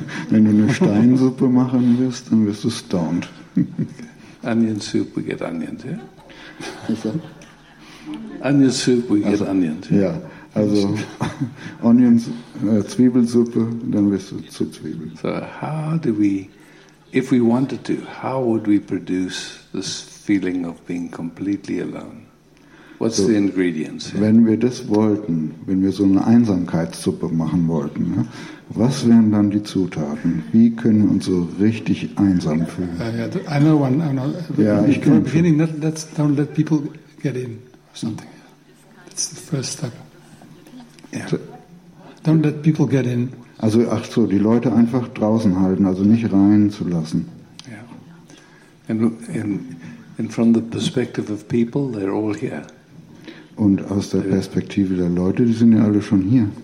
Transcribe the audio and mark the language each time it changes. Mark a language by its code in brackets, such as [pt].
[de] Wenn du eine Steinsuppe machen wirst, dann wirst du stoned. [en] Onion soup, we get onions, yeah? Onion soup, we get onions. [de] Ja, also Onions, Zwiebelsuppe, dann wirst du zu Zwiebeln. [en] So how do we, if we wanted to, how would we produce this feeling of being completely alone? What's so, the ingredients? [de] Wenn wir das wollten, wenn wir so eine Einsamkeitssuppe machen wollten, ne, was wären dann die Zutaten? Wie können wir uns so richtig einsam fühlen? [en] I know. Yeah, in the beginning, don't let people get in or something. That's the first step. Yeah. Don't let people get in. [de] Also, ach so, die Leute einfach draußen halten, also nicht reinzulassen. [en] Yeah. And from the perspective of people, they're all here. [de] Und aus der Perspektive der Leute, die sind ja alle schon hier.